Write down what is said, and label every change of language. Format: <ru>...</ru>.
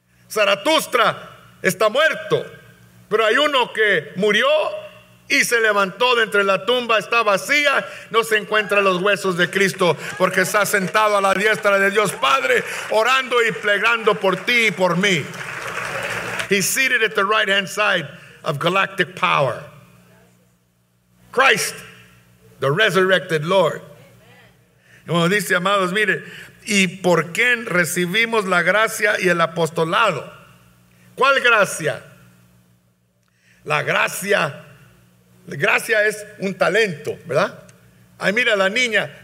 <es>Zaratustra está muerto, pero hay uno que murió y se levantó de entre la tumba, está vacía, no se encuentran los huesos de Cristo, porque está sentado a la diestra de Dios Padre, orando y plegando por ti y por mí.</es> <en>He's seated at the right hand side of galactic power. Christ, the resurrected Lord.</en> <es>Y bueno, dice, amados, mire, y por quien recibimos la gracia y el apostolado. ¿Cuál gracia? La gracia. La gracia es un talento, ¿verdad? Ay, mira la niña.</es>